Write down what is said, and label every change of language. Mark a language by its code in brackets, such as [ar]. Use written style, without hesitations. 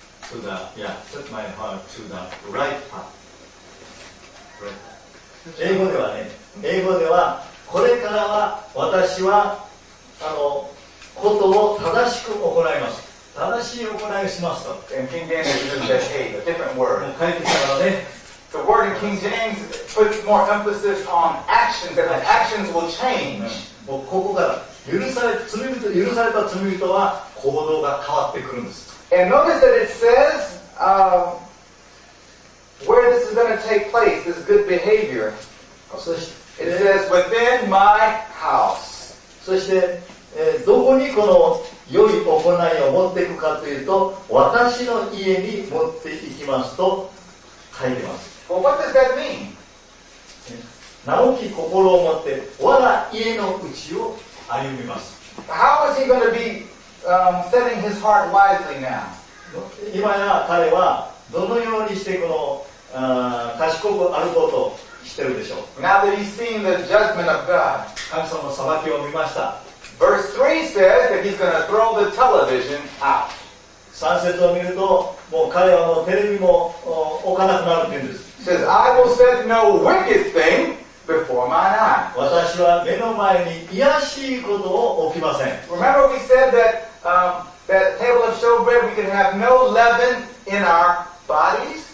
[en] to the, set my heart to the right path. Right. [ja] 英語ではね、英語ではこれからは私はあのことを正しく行います、正しい行いをしますと。 [en] And King James is just a different word. [ja] 変えてきたからね。 [en] The word in King James puts more emphasis on actions, that the actions will change. [ja] もうここから許された罪人は行動が変わってくるんです。 [en] And notice that it says where this is going to take place, this good behavior. It says within my house. [ja] そしてどこにこの良い行いを持っていくかというと、私の家に持っていきますと書いてます。 [en] Well, what does that mean? [ja] 直き心を持って我が家の内を歩みます。 [en] How is he going to be setting his heart wisely now? [ja] 今や彼はどのようにしてこの賢く歩こうとしてるでしょう。 [en] Now that he's seen the judgment of God, [ja] 神様の裁きを見ました。 [en] Verse 3 says that he's going to throw the television out. [ja] 3節を見るともう彼はもうテレビも置かなくなるというんです。 [en] Says I will set no wicked thing before my eyes. [ja] 私は目の前に卑しいことを置きません。 [en] Remember we said that that table of showbread we can have no leaven in our bodies.